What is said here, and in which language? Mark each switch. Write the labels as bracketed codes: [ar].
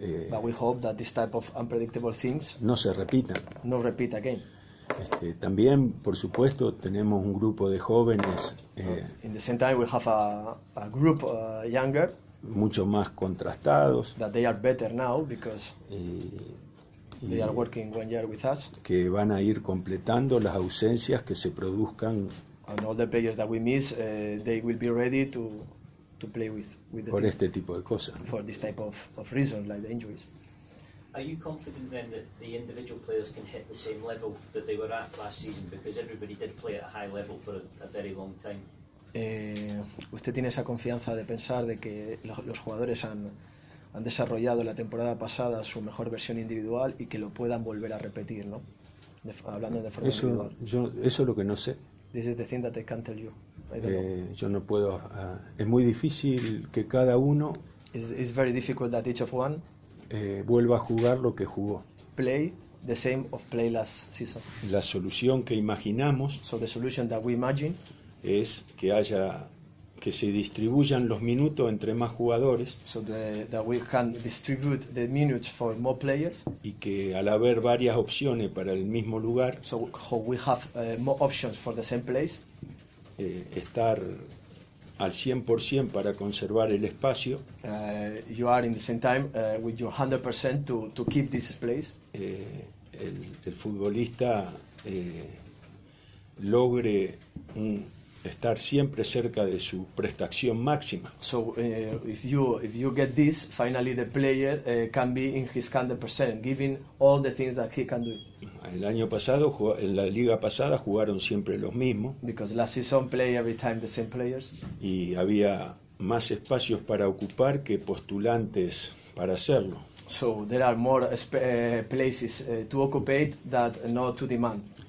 [en] but we hope that this type of unpredictable things [es] no se repitan. [en] No repeat again. [es] También, por supuesto, tenemos un grupo de jóvenes [en] in the same time we have a group younger [es] mucho más contrastados [en] that they are better now because they are working 1 year with us [es] que van a ir completando las ausencias que se produzcan [en] and all the players that we miss they will be ready to play with [es] por este tipo de cosas [en] for this type of reason like the injuries. Are you confident then that the individual players can hit the same level that they were at last season? Because everybody did play at a high level for a very long time. [es] ¿Usted tiene esa confianza de pensar de que los jugadores han desarrollado la temporada pasada su mejor versión individual y que lo puedan volver a repetir, ¿no? Hablando de forma individual. Eso es lo que no sé. [en] This is the thing that I can't tell you. [es] Yo no puedo. Es muy difícil que cada uno. [en] It's very difficult that each of one. [es] Vuelva a jugar lo que jugó. [en] Play the same of play last season. [es] La solución que imaginamos [en] so the solution that we imagine [es] es que haya que se distribuyan los minutos entre más jugadores [en] so that we can distribute the minutes for more players [es] y que al haber varias opciones para el mismo lugar [en] so we have more options for the same place [es] estar al 100% para conservar el espacio. [en] You are in the same time with your 100% to keep this place. [es] El futbolista logre estar siempre cerca de su prestación máxima. [en] So if you get this, finally the player can be in his 100%, giving all the things that he can do. [es] El año pasado, en la liga pasada, jugaron siempre los mismos. [en] Because last season play every time the same players. [es] Y había más espacios para ocupar que postulantes para hacerlo. [en] So there are more places to occupate that not to demand.